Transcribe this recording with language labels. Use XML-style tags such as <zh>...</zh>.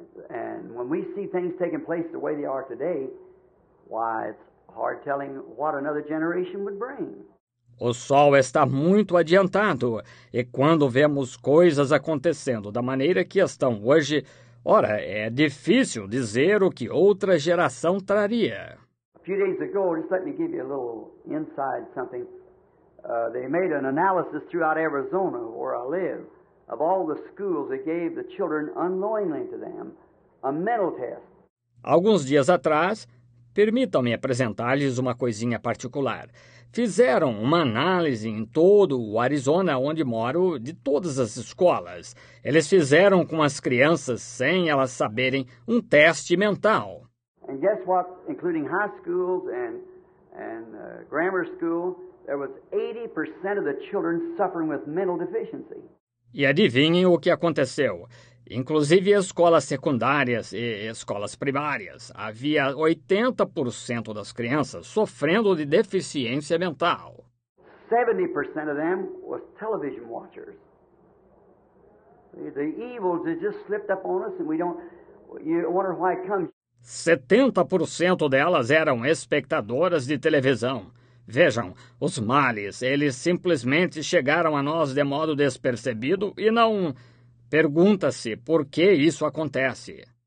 <en>And when we see things taking place the way they are today, why, it's hard telling what another generation would bring.</en> <pt>O sol está muito adiantado, e quando vemos coisas acontecendo da maneira que estão hoje, ora, é difícil dizer o que outra geração traria.</pt> <en>A few days ago, just let me give you a little inside something. They made an analysis throughout Arizona, where I live, of all the schools that gave the children unknowingly to them, a mental test.</en> <pt>Alguns dias atrás, permitam-me apresentar-lhes uma coisinha particular. Fizeram uma análise em todo o Arizona, onde moro, de todas as escolas. Eles fizeram com as crianças, sem elas saberem, um teste mental. E</pt> <en>guess what? Including high schools and grammar school, there was 80% of the children suffering with mental deficiency.</en> <pt>E adivinhem o que aconteceu. Inclusive escolas secundárias e escolas primárias, havia 80% das crianças sofrendo de deficiência mental.</pt> <en>70% of them were television watchers. The evils that just slipped up on us and you wonder why it comes.</en> <pt>70% delas eram espectadoras de televisão. Vejam, os males, eles simplesmente chegaram a nós de modo despercebido e não. Pergunta-se por que isso acontece.</pt>